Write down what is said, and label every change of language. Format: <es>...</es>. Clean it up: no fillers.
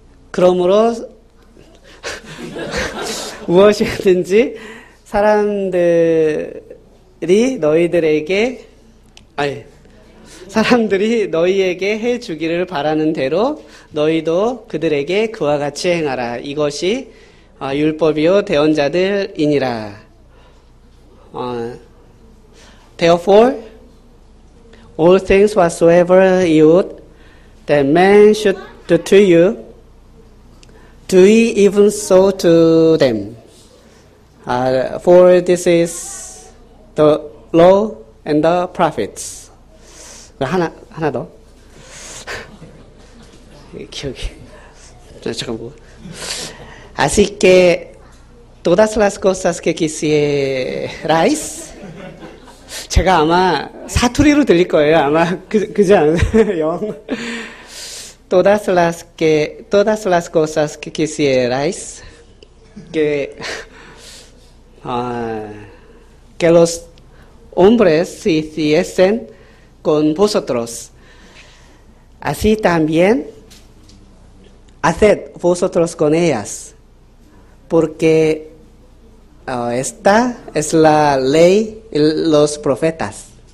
<ko>그러므로 무엇이든지 사람들이 너희에게 해 주기를 바라는 대로 너희도 그들에게 그와 같이 행하라. 이것이 율법이요 대언자들이니라.</ko> <en>Therefore, all things whatsoever you would that men should do to you, do ye even so to them. For this is the law and the prophets.</en> <ko>하나 더. 기억이. 잠깐 뭐.</ko> <es>Así que todas las cosas que quisierais.</es> <ko>제가 아마 사투리로 들릴 거예요. 아마 그지 않아요?</ko> <es>Todas las cosas que quisierais que los hombres hiciesen con vosotros, así también haced vosotros con ellas, porque esta es la ley y los profetas.</es>